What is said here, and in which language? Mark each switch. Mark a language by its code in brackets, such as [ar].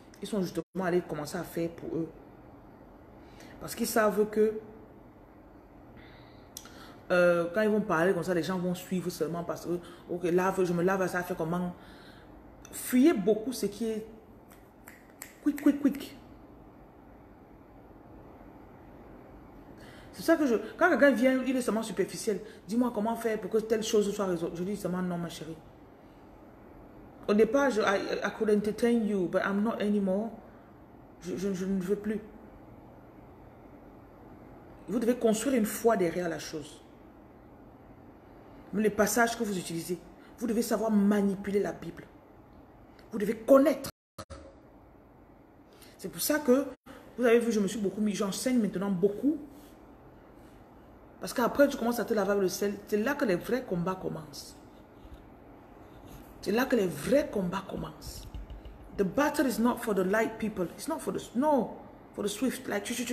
[fr] Ils sont justement allés commencer à faire pour eux. Parce qu'ils savent que quand ils vont parler comme ça, les gens vont suivre seulement parce que okay, lave, je me lave, ça fait comment. Fuyez beaucoup ce qui est quick. C'est ça que je... Quand quelqu'un vient, il est seulement superficiel. Dis-moi comment faire pour que telle chose soit résolue. Je dis seulement non, ma chérie. Au départ, [en] I could entertain you, but I'm not anymore. [fr] Je ne veux plus. Vous devez construire une foi derrière la chose. Mais les passages que vous utilisez, vous devez savoir manipuler la Bible. Vous devez connaître. C'est pour ça que, vous avez vu, je me suis beaucoup mis, j'enseigne maintenant beaucoup. Parce qu'après, tu commences à te laver le sel, c'est là que les vrais combats commencent. C'est là que les vrais combats commencent. [en] The battle is not for the light people. It's not for the swift. Like,